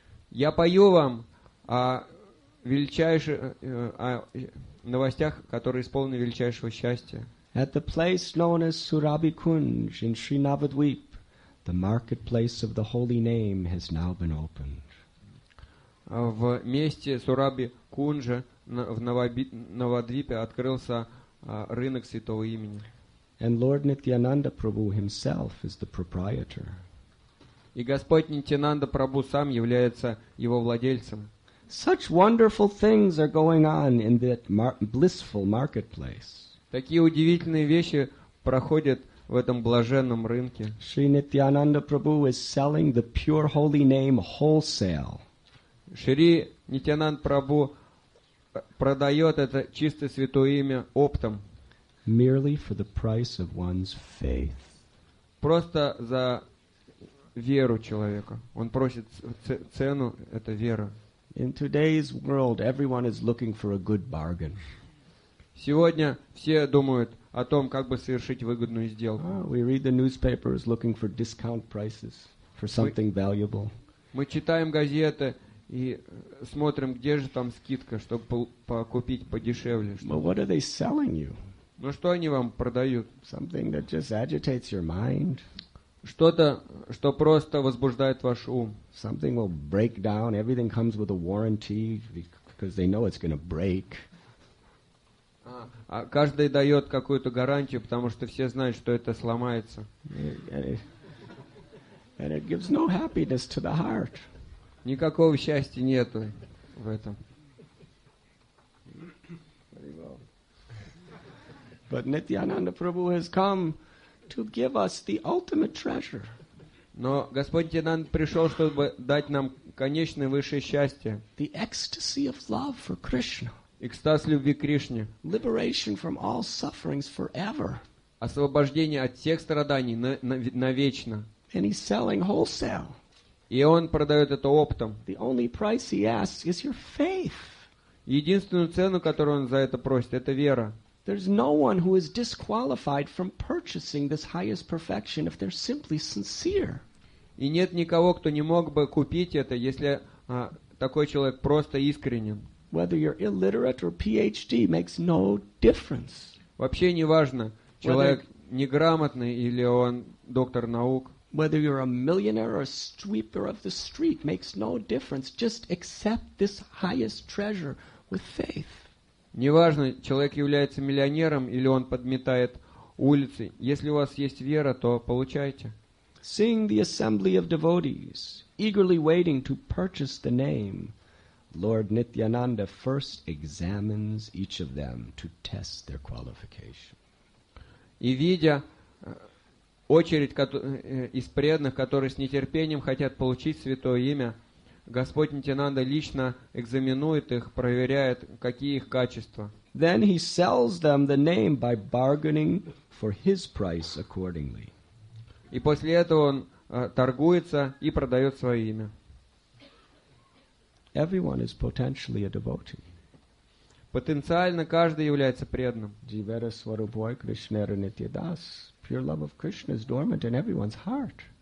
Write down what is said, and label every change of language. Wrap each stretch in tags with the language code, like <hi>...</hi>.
<ru>Я пою вам о величайших новостях, которые исполнены величайшего счастья.</ru> <en>At the place known as Surabhi Kunj in Srinavadvip, the marketplace of the holy name has now been opened.</en> <ru>В месте Сураби Кунджа в Навадвипе открылся рынок святого имени.</ru> <en>And Lord Nityananda Prabhu himself is the proprietor.</en> <ru>И Господь Нитьянанда Прабху сам является его владельцем.</ru> <en>Such wonderful things are going on in that blissful marketplace.</en> <ru>Такие удивительные вещи проходят в этом блаженном рынке.</ru> <en>Шри Нитьянанда Прабху is selling the pure holy name wholesale.</en> <ru>Шри Нитьянанд Прабху продает это чистое святое имя оптом.</ru> <en>Merely for the price of one's faith.</en> <ru>Просто за веру человека. Он просит цену, это вера.</ru> <en>In today's world, everyone is looking for a good bargain.</en> <ru>Сегодня все думают о том, как бы совершить выгодную сделку.</ru> <en>We read the newspapers looking for discount prices for something valuable.</en> <ru>Мы читаем газеты и смотрим, где же там скидка, чтобы покупить подешевле.</ru> <en>But what are they selling you?</en> <ru>Ну что они вам продают?</ru> <en>Something that just agitates your mind.</en> <ru>Что-то, что просто возбуждает ваш ум.</ru> <en>Something will break down. Everything comes with a warranty because they know it's going to break.</en> <ru>А каждый дает какую-то гарантию, потому что все знают, что это сломается.</ru> <en>And it gives no happiness to the heart.</en> <ru>Никакого счастья нету в этом.</ru> <en>But Nityananda Prabhu has come to give us the ultimate treasure.</en> <ru>Но Господь Нитьянанда пришел, чтобы дать нам конечное высшее счастье.</ru> <en>The ecstasy of love for Krishna.</en> <ru>Экстаз любви к Кришне.</ru> <en>Liberation from all sufferings forever.</en> <ru>Освобождение от всех страданий навечно.</ru> <en>And he's selling wholesale.</en> <ru>И он продает это оптом.</ru> <en>The only price he asks is your faith.</en> <ru>Единственную цену, которую он за это просит, это вера.</ru> <en>There's no one who is disqualified from purchasing this highest perfection if they're simply sincere.</en> <ru>И нет никого, кто не мог бы купить это, если такой человек просто искренен.</ru> <en>Whether you're illiterate or PhD makes no difference.</en> <ru>Вообще не важно, человек неграмотный или он доктор наук.</ru> <en>Whether you're a millionaire or a sweeper of the street makes no difference. Just accept this highest treasure with faith.</en> <ru>Не важно, человек является миллионером или он подметает улицы. Если у вас есть вера, то получайте.</ru> <en>Seeing the assembly of devotees eagerly waiting to purchase the name, Lord Nityananda first examines each of them to test their qualification.</en> <ru>И видя очередь из преданных, которые с нетерпением хотят получить святое имя, Господь Нитьянанда лично экзаменует их, проверяет, какие их качества.</ru> <en>Then he sells them the name by bargaining for his price accordingly.</en> <ru>И после этого он торгуется и продает свое имя.</ru> <en>Everyone is potentially a devotee.</en> <ru>Потенциально каждый является преданным.</ru> <bn>Jivera Swarupoy Krishnera Nitya Das.</bn> <en>Pure love of Krishna is dormant in everyone's heart.</en>